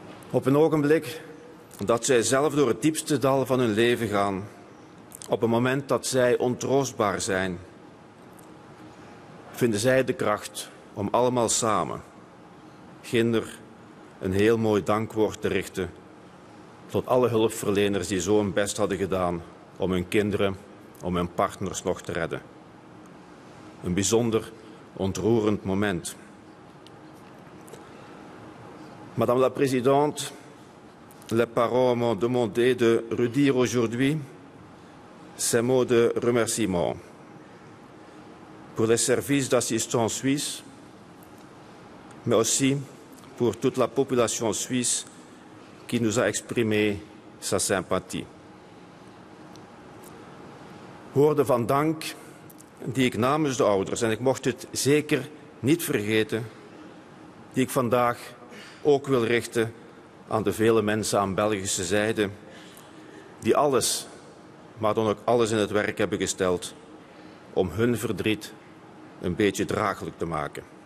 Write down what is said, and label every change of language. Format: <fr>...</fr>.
<nl>Op een ogenblik dat zij zelf door het diepste dal van hun leven gaan, op een moment dat zij ontroostbaar zijn, vinden zij de kracht om allemaal samen, kinder, een heel mooi dankwoord te richten tot alle hulpverleners die zo hun best hadden gedaan om hun kinderen, om hun partners nog te redden. Een bijzonder ontroerend moment.</nl> <fr>Madame la présidente, les parents m'ont demandé de redire aujourd'hui ces mots de remerciement pour les services d'assistance suisse, mais aussi pour toute la population suisse qui nous a exprimé sa sympathie.</fr> <nl>Woorden van dank die ik namens de ouders, en ik mocht het zeker niet vergeten, die ik vandaag ook wil richten aan de vele mensen aan Belgische zijde die alles, maar dan ook alles in het werk hebben gesteld om hun verdriet een beetje draaglijk te maken.</nl>